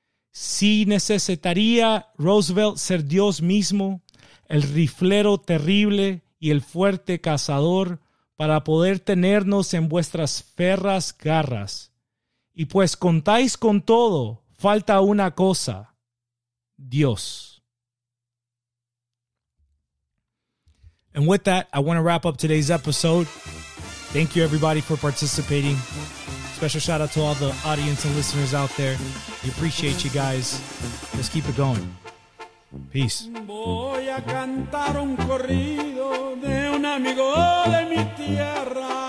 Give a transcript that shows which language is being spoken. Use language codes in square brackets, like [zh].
[es] Si necesitaría Roosevelt ser Dios mismo, el riflero terrible y el fuerte cazador, para poder tenernos en vuestras férreas garras. Y pues contáis con todo, falta una cosa: Dios. [en] And with that, I want to wrap up today's episode. Thank you, everybody, for participating. Special shout out to all the audience and listeners out there. We appreciate you guys. Let's keep it going. Peace. [es] Voy a cantar un corrido de un amigo de mi tierra.